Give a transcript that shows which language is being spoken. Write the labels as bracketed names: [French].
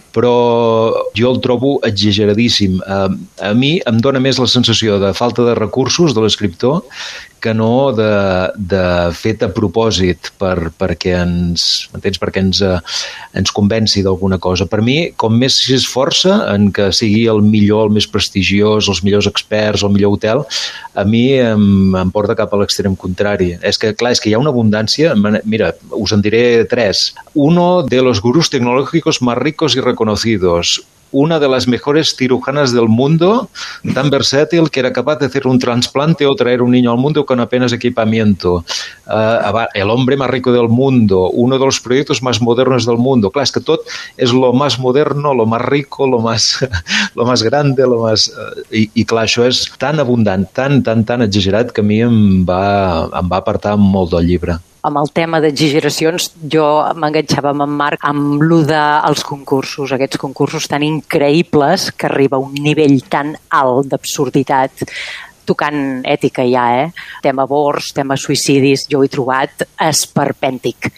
[Catalan] Però jo el trobo exageradíssim. A mi em dóna més la sensació de falta de recursos de l'escriptor que no de fet a propòsit perquè ens, m'entens, perquè ens convenci d'alguna cosa. Per mi, com més s'esforça en que sigui el millor, el més prestigiós, els millors experts, el millor hotel, a mi em porta cap a l'extrem contrari. És que, clar, és que hi ha una abundància. Mira, us en diré tres. [Spanish] Uno de los gurús tecnológicos más ricos y reconocidos. Una de las mejores cirujanas del mundo, tan versátil que era capaz de hacer un trasplante o traer un niño al mundo con apenas equipamiento. El hombre más rico del mundo, uno de los proyectos más modernos del mundo. Claro, es que todo es lo más moderno, lo más rico, lo más grande, lo más... [Catalan] I clar, això és tan abundant, tan exagerat que a mi em va apartar molt del llibre. Amb el tema d'exageracions, jo m'enganxava amb en Marc amb allò dels concursos, aquests concursos tan increïbles que arriba a un nivell tan alt d'absurditat, tocant ètica ja, Tema aborts, tema suicidis, jo ho he trobat esperpèntic.